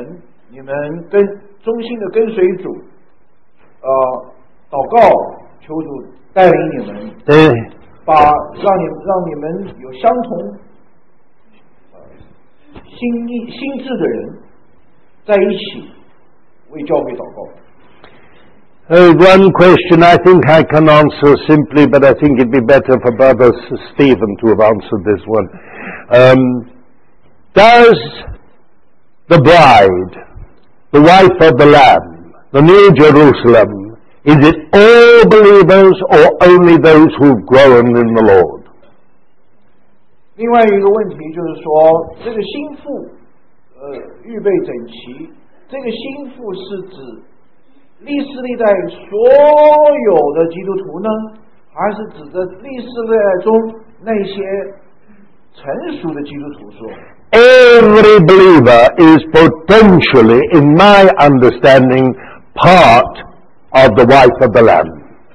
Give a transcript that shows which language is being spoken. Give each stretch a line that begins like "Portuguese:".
Chinese: 这样鼓励你们，你们跟忠心的跟随主， 祷告求主带领你们， 让你们有相同心智的人 在一起为教会祷告。
English: One question I think I can answer simply, but I think it'd be better for Brother Stephen to have answered this one. Does the bride, the wife of the Lamb, the New Jerusalem, is it all believers or only those who've grown in the Lord?
Chinese: 另外一个问题就是说，这个心腹，预备整齐。这个心腹是指历世历代所有的基督徒呢，还是指的历世历代中那些成熟的基督徒说？
English: Every believer is potentially, in my understanding, part of the wife of the Lamb.